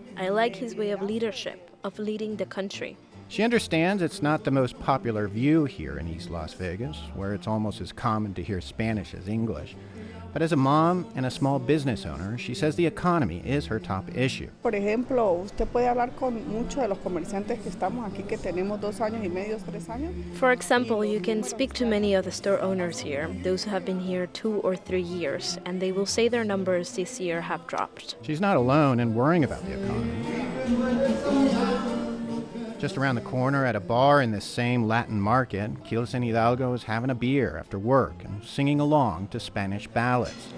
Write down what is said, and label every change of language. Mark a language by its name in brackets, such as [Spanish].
[English] I like his way of leadership, of leading the country. She understands it's not the most popular view here in East Las Vegas, where it's almost as common to hear Spanish as English. But as a mom and a small business owner, she says the economy is her top issue. [Spanish] Por ejemplo, usted puede hablar con muchos de los comerciantes que estamos aquí, que tenemos dos años y medio, tres años. [English] For example, you can speak to many of the store owners here, those who have been here 2 or 3 years, and they will say their numbers this year have dropped. She's not alone in worrying about the economy. Just around the corner at a bar in this same Latin market, Kielsen Hidalgo is having a beer after work and singing along to Spanish ballads.